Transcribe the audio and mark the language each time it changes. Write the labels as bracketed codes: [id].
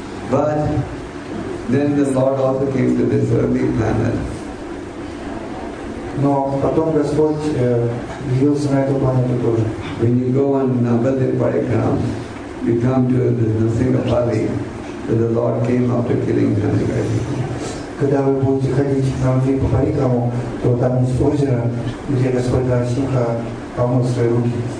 [en] But then the Lord also came to this earthly planet. [ru] Но потом Господь явился на эту планету тоже. [en] When you go on Navadvip Parikram, you come to the Nrsingapalli, where the Lord came after killing Janakadeva. [ru] Когда вы будете ходить на Нрсингапалли по Парикраму, то там есть озеро, где Господь Нарасимха помыл свои руки.